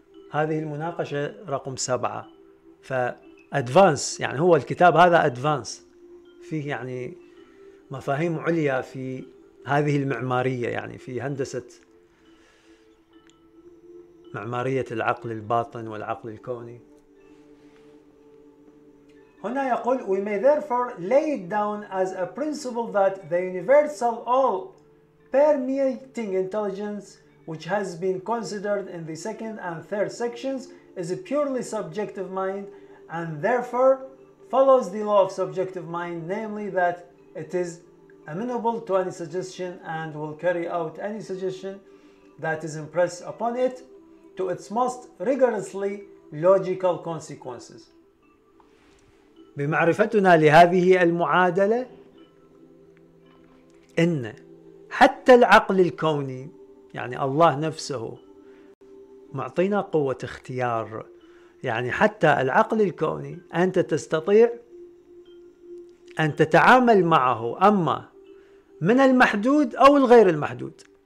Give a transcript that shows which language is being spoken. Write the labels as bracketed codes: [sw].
[ar] هذه المناقشة رقم 7، فأدفانس يعني هو الكتاب هذا أدفانس، فيه يعني مفاهيم عليا في هذه المعمارية، يعني في هندسة معمارية العقل الباطن والعقل الكوني. هنا يقول: [en] We may therefore lay it down as a principle that the universal all permeating intelligence which has been considered in the second and third sections is a purely subjective mind and therefore follows the law of subjective mind, namely that it is amenable to any suggestion and will carry out any suggestion that is impressed upon it to its most rigorously logical consequences. [ar] بمعرفتنا لهذه المعادلة، إن حتى العقل الكوني، يعني الله نفسه معطينا قوة اختيار، يعني حتى العقل الكوني أنت تستطيع أن تتعامل معه، أما من المحدود أو الغير المحدود.